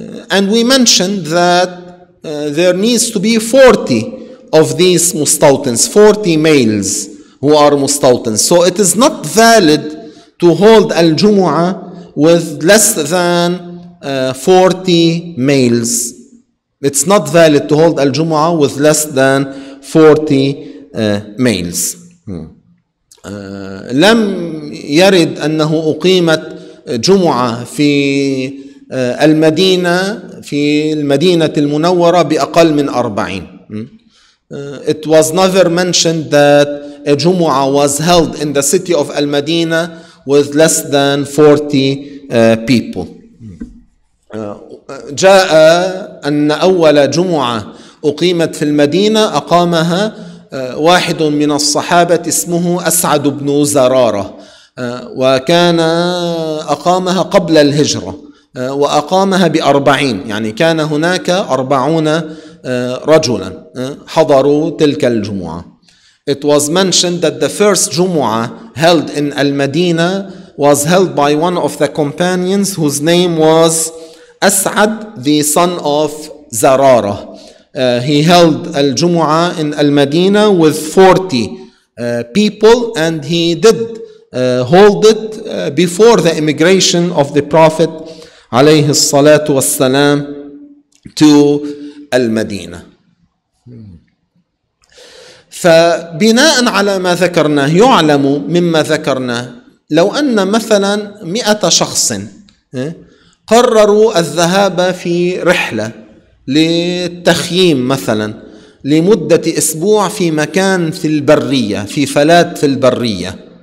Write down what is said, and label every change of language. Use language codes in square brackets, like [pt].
[en] And we mentioned that there needs to be 40 of these مستوطنs, 40 males who are مستوطنs. So it is not valid to hold al-Jumu'ah with less than 40 males. It's not valid to hold al-Jumu'ah with less than 40 males. [ar] لم يرد أنه أقيمت جمعة في المدينة في المدينة المنورة بأقل من 40. [en] It was never mentioned that a Jumu'ah was held in the city of al-Madina with less than 40 people. [ar] جاء أن أول جمعة أقيمت في المدينة أقامها واحد من الصحابة اسمه أسعد بن زرارة، وكان أقامها قبل الهجرة، وأقامها بأربعين، يعني كان هناك 40 رجلا حضروا تلك الجمعة. [en] It was mentioned that the first Jumu'ah held in Al-Madina was held by one of the companions whose name was As'ad, the son of Zarara. He held Al-Jumu'ah in Al-Madina with 40 people, and he did hold it before the immigration of the Prophet alayhi salatu wassalam to Al-Madina. [ar] فبناء على ما ذكرناه يعلم مما ذكرناه لو أن مثلا 100 شخص قرروا الذهاب في رحلة للتخييم مثلا لمدة أسبوع في مكان في البرية، في فلات في البرية،